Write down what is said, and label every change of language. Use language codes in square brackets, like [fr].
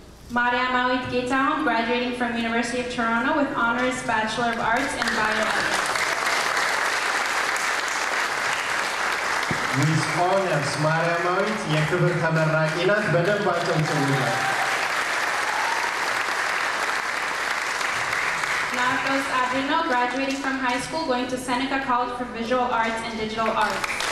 [en] Mariam Awit Getaon graduating from University of Toronto with honors Bachelor of Arts in Bioethics. [am] Miss Honors Mariam Awit የክብር ተመራቂ ናት በደንብ አጥንተውልን [en] Abrino graduating from high school going to Seneca College for Visual Arts and Digital Arts.